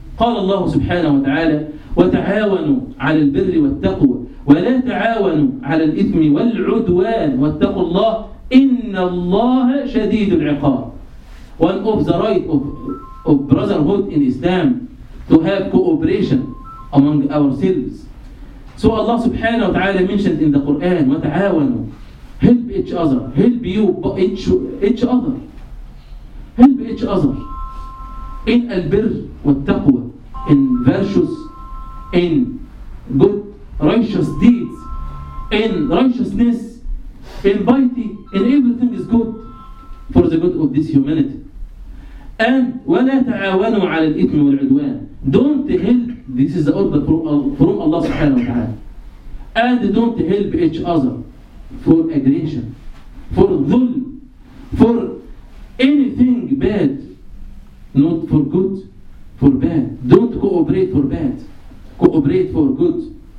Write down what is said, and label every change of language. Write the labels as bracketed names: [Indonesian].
[Arabic] قال الله سبحانه وتعالى وتعاونوا على البر والتقوى ولا تعاونوا على الإثم والعدوان واتقوا الله إن الله شديد العقاب. [English] One of the right of brotherhood in Islam to have cooperation among ourselves. So Allah سبحانه وتعالى mentioned in the Quran وتعاونوا help each other, help you each other, help each other in [Arabic] البر والتقوى. [English] In virtues, in good righteous deeds, in righteousness, in piety, in everything is good for the good of this humanity. [Arabic] And وَلَا تَعَاوَنُوا عَلَى الْإِثْمِ وَالْعُدْوَانِ. [English] Don't help, this is the order from Allah subhanahu wa ta'ala. And don't help each other for aggression, for dhul, for anything bad, not for good. For bad. Don't cooperate for bad. Cooperate for good.